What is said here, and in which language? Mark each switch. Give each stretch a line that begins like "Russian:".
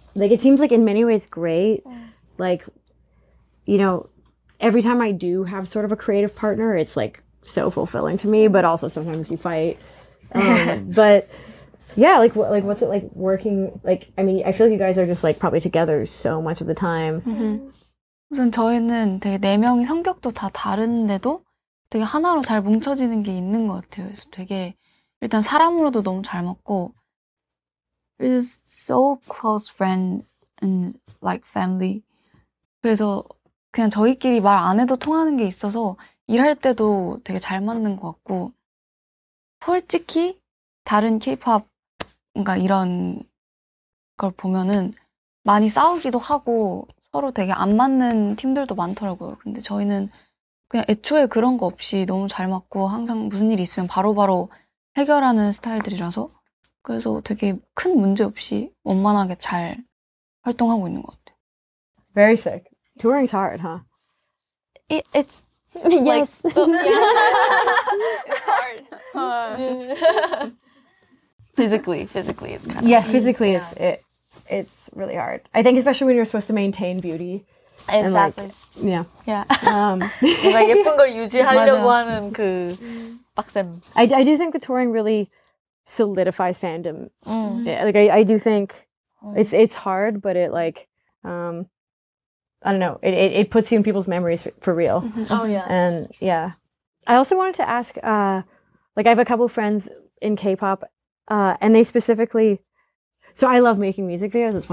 English: Like, it seems like in many ways great. Like, you know, every time I do have sort of a creative partner, it's like so fulfilling to me, but also sometimes you fight. but yeah, like what's it like working? Like, I mean, I feel like you guys are just like probably together so much of the time. Mm-hmm.
Korean: 우선 저희는 되게 네 명이 성격도 다 다른데도 되게 하나로 잘 뭉쳐지는 게 있는 것 같아요. 그래서 되게 일단 사람으로도 너무 잘 맞고
English: We're so close friend and like family.
Korean: 그래서 그냥 저희끼리 말 안 해도 통하는 게 있어서 일할 때도 되게 잘 맞는 것 같고 솔직히 다른 K-pop 뭔가 이런 걸 보면은 많이 싸우기도 하고 서로 되게 안 맞는 팀들도 많더라고요. 근데 저희는 그냥 애초에 그런 거 없이 너무 잘 맞고 항상 무슨 일이 있으면 바로바로 해결하는 스타일들이라서 그래서 되게 큰 문제 없이 원만하게 잘 활동하고 있는 것 같아요.
English: Very sick. Touring's hard, huh? It's like, yes. It's hard. Physically, it's kind of yeah. Physically, yeah. It's really hard. I think especially when you're supposed to maintain beauty. Exactly. Like, yeah. Yeah.
Korean: 뭔가 예쁜 걸 유지하려고 하는 그 빡셈.
English: I do think the touring really solidifies fandom. Yeah, like I do think it's hard, but it like I don't know. It puts you in people's memories for real. Mm-hmm. Oh yeah. And yeah. I also wanted to ask like I have a couple friends in K-pop and they specifically So I love making music videos.